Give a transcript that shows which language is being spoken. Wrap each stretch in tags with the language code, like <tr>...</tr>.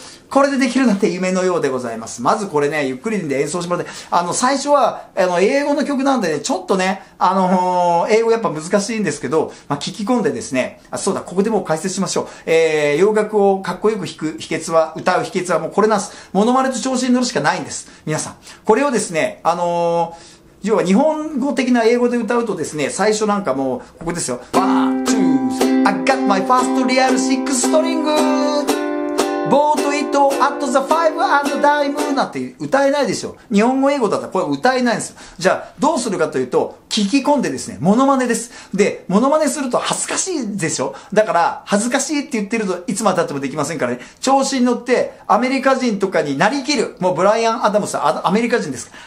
<ja>これでできるなんて夢のようでございます。まずこれね、ゆっくりで演奏してもらって、最初は、英語の曲なんでね、ちょっとね、英語やっぱ難しいんですけど、まあ、聞き込んでですね、あ、そうだ、ここでもう解説しましょう。洋楽をかっこよく弾く秘訣は、歌う秘訣はもうこれなんです。モノマネと調子に乗るしかないんです。皆さん。これをですね、要は日本語的な英語で歌うとですね、最初なんかもう、ここですよ。ワン、ツー、スリー。</ja> <en>I got my first real six string! Bought it at the five and dime!</en> <ja>なんて歌えないでしょ。日本語英語だったらこれ歌えないんですよ。じゃあ、どうするかというと、聞き込んでですね、モノマネです。で、モノマネすると恥ずかしいでしょ。だから、恥ずかしいって言ってると、いつまで経ってもできませんからね。調子に乗って、アメリカ人とかになりきる。もうブライアン・アダムス、アメリカ人です。</ja>